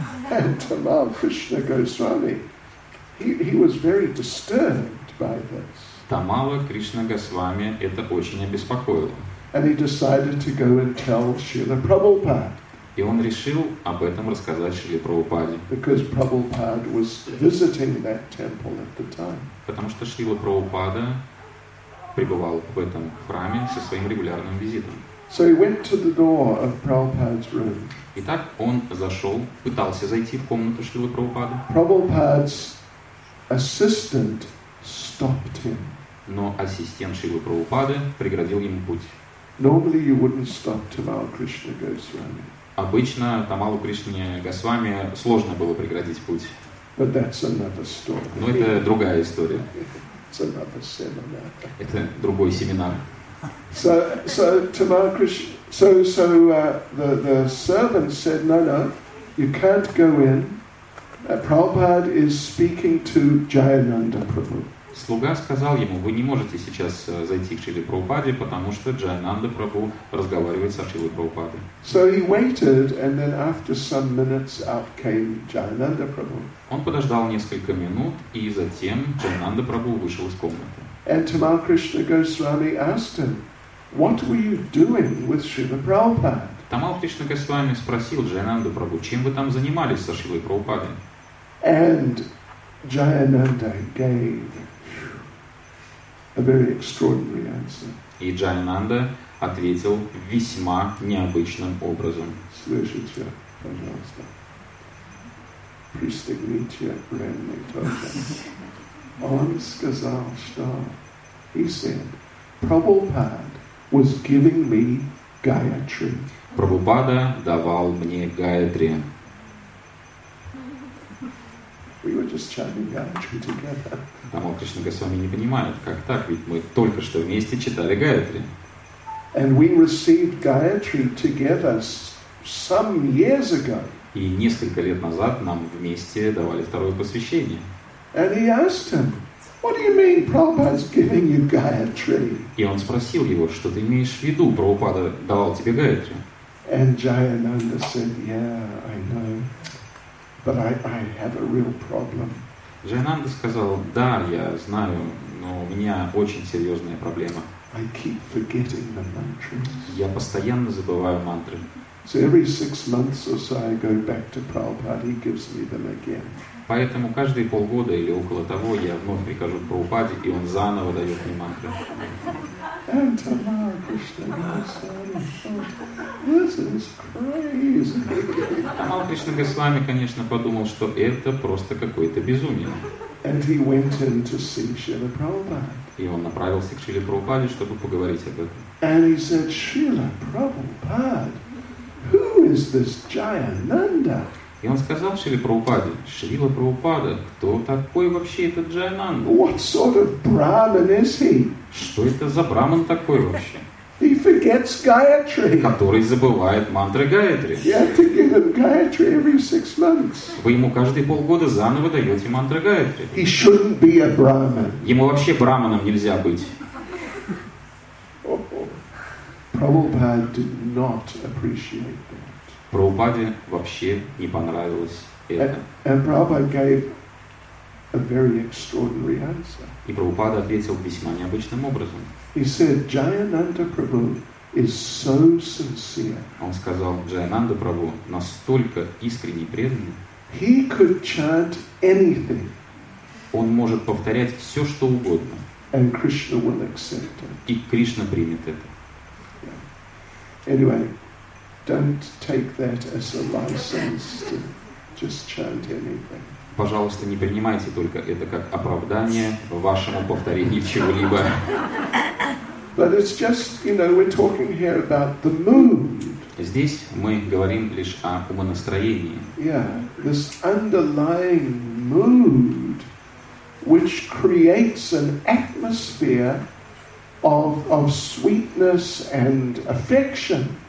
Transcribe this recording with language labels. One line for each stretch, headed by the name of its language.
English: And Tamal Krishna Goswami, he was very disturbed by this.
Russian: Тамала Кришна Госвами это очень обеспокоило.
English: And he decided to go and tell Srila Prabhupada.
Russian: И он решил об этом рассказать Шриле Прабхупаде.
English: Because Prabhupada was visiting that temple at the time.
Russian: Потому что Шрила Прабхупада пребывал в этом храме со своим регулярным визитом.
English: So he went to the door of Prabhupada's room.
Russian: Итак, он зашел, пытался зайти в комнату Шрилы Прабхупады.
English: Prabhupada's assistant stopped him.
Russian: Но ассистент Шрилы Прабхупады преградил ему путь.
English: Normally you wouldn't stop Tamal Krishna Goswami.
Russian: Обычно Тамалу Кришне Госвами сложно было преградить путь.
English: But that's another story.
Russian: Но это другая история.
English: It's another seminar.
Russian: Это другой семинар.
English: So Tamal Krishna, the servant said, no, you can't go in. Prabhupada is speaking to Jayananda Prabhu.
Russian: Слуга сказал ему, вы не можете сейчас зайти к Шриле Прабхупаде, потому что Джайананда Прабху разговаривает со Шрилой Прабхупадой. Он подождал несколько минут, и затем Джайананда Прабху вышел из комнаты.
English: And Tamal Krishna Goswami asked him, what were you doing with Srila Prabhupada?
Russian: Тамал Кришна Госвами спросил Джайананда Прабху, чем вы там занимались со Шрилой Прабхупадой?
English: And Jayananda gave a very extraordinary answer.
Russian: И Джайананда ответил весьма необычным образом. Слышите, пожалуйста. Пристегните ремни тоже. Он сказал, что...
English: He said, Prabhupada was giving me Gayatri.
Russian: Прабхупада давал мне Гаятри.
English: We were just chanting Gayatri together.
Russian: Тамал Кришна Госвами не понимает, как так, ведь мы только что вместе читали Гаятри.
English: And we received Gayatri together some years ago.
Russian: И несколько лет назад нам вместе давали второе посвящение.
English: And he asked him, what do you mean Prabhupada's giving you Gayatri?
Russian: И он спросил его, что ты имеешь в виду, Прабхупада давал тебе Гаятри?
English: And Jayananda said, yeah, I know, but I have a real problem.
Russian: Джайананда сказал, да, я знаю, но у меня очень серьезная проблема.
English: I keep forgetting the mantras.
Russian: Я постоянно забываю мантры.
English: So every six months or so I go back to Prabhupada, he gives me them again.
Russian: Поэтому каждые полгода или около того я вновь прихожу к Прабхупаде, и он заново дает мне мантры.
English: And Tamal Krishna Goswami thought, this is crazy.
Russian: Тамал Кришна Госвами, конечно, подумал, что это просто какое-то безумие.
English: And he went in to see Srila Prabhupada.
Russian: И он направился к Шриле Прабхупаде, чтобы поговорить об этом.
English: And he said, Srila Prabhupada, who is this Jayananda?
Russian: И он сказал Шриле Прабхупаде, Шрила Прабхупада, кто такой вообще этот Джайананда?
English: What sort of brahman is he?
Russian: Что это за браман такой вообще?
English: He forgets Gayatri.
Russian: Который забывает мантры Гаятри.
English: You have to give him Gayatri every six months.
Russian: Вы ему каждые полгода заново даете мантры Гаятри.
English: He shouldn't be a brahman.
Russian: Ему вообще браманом нельзя быть.
English: Prabhupada did not appreciate that.
Russian: Прабхупаде вообще не понравилось это.
English: And Prabhupada gave a very extraordinary answer.
Russian: И Прабхупада ответил весьма необычным образом.
English: He said, Jayananda Prabhu is so sincere.
Russian: Он сказал, Джайананда Прабху настолько искренне преданный.
English: He could chant anything.
Russian: Он может повторять все, что угодно.
English: And Krishna will accept it.
Russian: И Кришна примет это.
English: Anyway, don't take that as a license to just chant anything.
Russian: Пожалуйста, не принимайте только это как оправдание вашему повторению чего-либо.
English: But it's just, you know, we're talking here about the mood.
Russian: Здесь мы говорим лишь о умонастроении.
English: Yeah, this underlying mood, which creates an atmosphere of sweetness and affection.